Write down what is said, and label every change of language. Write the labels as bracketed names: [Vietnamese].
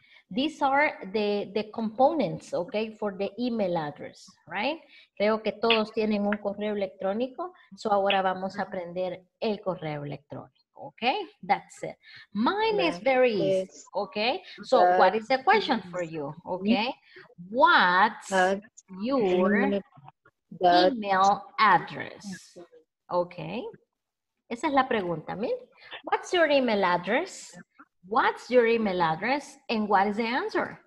[English] These are the components, okay, for the email address, right? [Spanish] Creo que todos tienen un correo electrónico, so ahora vamos a aprender el correo electrónico, okay? [English] That's it. Mine is very easy, okay? So what is the question for you, okay? What's your email address, okay? [Spanish] Esa es la pregunta, Mil. [English] What's your email address? What's your email address and what is the answer?